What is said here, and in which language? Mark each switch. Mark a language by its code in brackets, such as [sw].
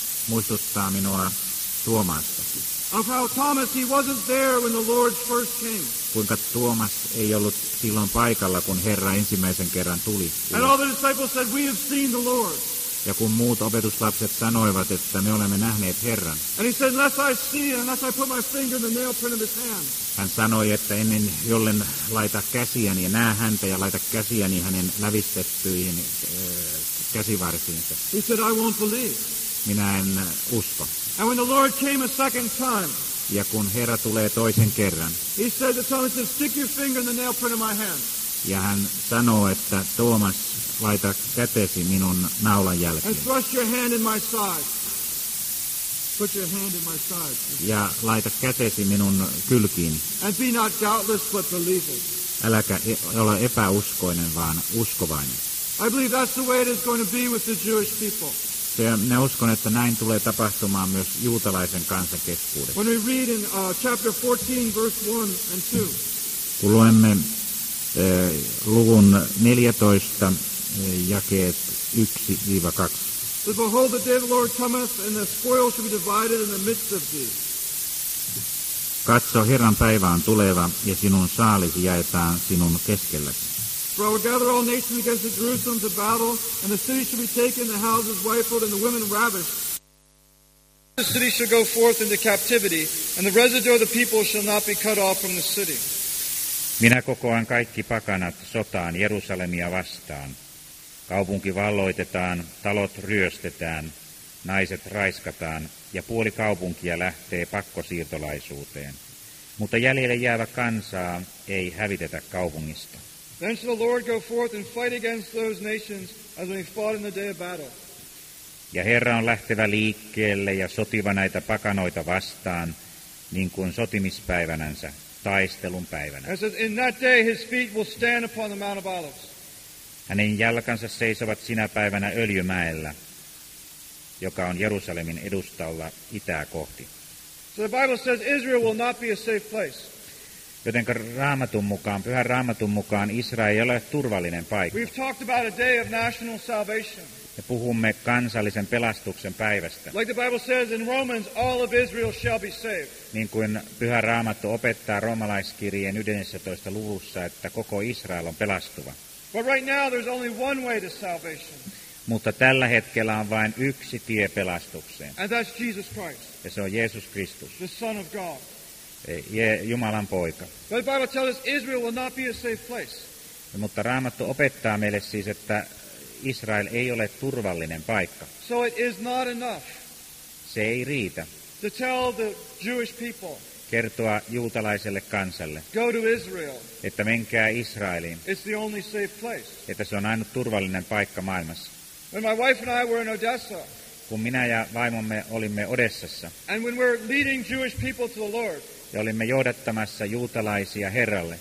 [fi] Muistuttaa minua Tuomasta. [en] Of how Thomas, he wasn't there when the Lord first came. [fi] Kuinka Tuomas ei ollut silloin paikalla, kun Herra ensimmäisen kerran tuli. [en] And all the disciples said, we have seen the Lord. [fi] Ja kun muut opetuslapset sanoivat, että me olemme nähneet Herran. [en] And he said, unless I see and unless I put my finger in the nail print of his hand. [fi] Hän sanoi, että ennen jollen laita käsiäni ja näe häntä ja laita käsiäni hänen lävistettyihin käsivarsiinsa. [en] He said, I won't believe. [fi] Minä en usko. [en] And when the Lord came a second time, [fi] ja kun Herra tulee toisen kerran, [en] he said to Thomas, stick your finger in the nail print of my hand. [fi] Ja hän sanoo, että Tuomas, laita kätesi minun naulan jälkeen. [en] And thrust your hand in my side. Put your hand in my side. [fi] Ja laita kätesi minun kylkiin. [en] And be not doubtless, but believing. [fi] Äläkä ole epäuskoinen, vaan uskovainen. [en] I believe that's the way it is going to be with the Jewish people. [fi] Ja minä uskon, että näin tulee tapahtumaan myös juutalaisen kansan keskuudessa. [en] When we read in chapter 14, verse 1 and 2. [fi] Kun luemme luvun 14, jakeet 1-2. [en] But behold, the day of the Lord cometh, and the spoil shall be divided in the midst of thee. [fi] Katso, Herran päivä on tuleva, ja sinun saalisi jaetaan sinun keskelläsi. [en] For I will gather all nations against the Jerusalem to battle, and the city shall be taken, the houses rifled, and the women ravished. The city shall go forth into captivity, and the residue of the people shall not be cut off from the city. [fi] Minä kokoan kaikki pakanat sotaan Jerusalemia vastaan. Kaupunki valloitetaan, talot ryöstetään, naiset raiskataan, ja puoli kaupunkia lähtee pakkosiirtolaisuuteen. Mutta jäljelle jäävä kansaa ei hävitetä kaupungista. [en] Then shall the Lord go forth and fight against those nations as when he fought in the day of battle. [fi] Ja Herra on lähtevä liikkeelle ja sotiva näitä pakanoita vastaan, niin kuin sotimispäivänänsä, taistelun päivänä. [en] And so in that day his feet will stand upon the Mount of Olives. [fi] Hänen jalkansa seisovat sinä päivänä Öljymäellä, joka on Jerusalemin edustalla itää kohti. [en] So the Bible says Israel will not be a safe place. [fi] Joten Raamatun mukaan, pyhän Raamatun mukaan, Israel ei ole turvallinen paikka. [en] We've talked about a day of national salvation. [fi] Me puhumme kansallisen pelastuksen päivästä. [en] Like the Bible says in Romans, all of Israel shall be saved. [fi] Niin kuin pyhä Raamattu opettaa roomalaiskirjeen 11. luvussa, että koko Israel on pelastuva. [en] But right now there's only one way to salvation. [fi] Mutta tällä hetkellä on vain yksi tie pelastukseen. [en] And that's Jesus Christ. [fi] Ja se on Jeesus Kristus. [en] The Son of God. [fi] Jumalan poika. [en] But the Bible tells us Israel will not be a safe place. [fi] Mutta Raamattu opettaa meille siis, että Israel ei ole turvallinen paikka. [en] So it is not enough. [fi] Se ei riitä. [en] To tell the Jewish people. [fi] Kertoa juutalaiselle kansalle. [en] Go to Israel. [fi] Että menkää Israeliin. [en] It's the only safe place. [fi] Että se on ainut turvallinen paikka maailmassa. [en] When my wife and I were in Odessa. [fi] Kun minä ja vaimomme olimme Odessassa. [en] And when we're leading Jewish people to the Lord. [fi] Ja olimme johdattamassa juutalaisia Herralle.